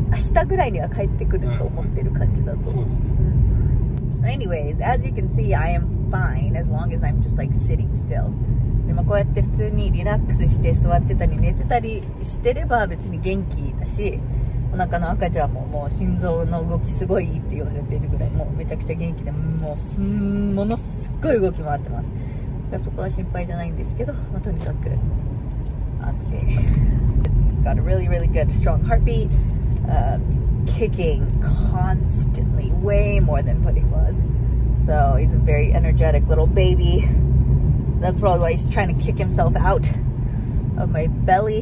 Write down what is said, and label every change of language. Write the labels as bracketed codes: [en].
[ja] 明日ぐらいには帰ってくると思ってる感じだと。 [en] So anyways, as you can see, I am fine as long as I'm just like sitting still. [ja] でもこうやって普通にリラックスして座ってたり寝てたりしてれば別に元気だし、お腹の赤ちゃんももう心臓の動きすごいって言われてるぐらい、もうめちゃくちゃ元気で、もうすんものすっごい動き回ってます。だからそこは心配じゃないんですけど、まあ、とにかく安静。 [en] He's got a really, really good, strong heartbeat. Kicking constantly, way more than Pudding was. So he's a very energetic little baby. That's probably why he's trying to kick himself out of my belly.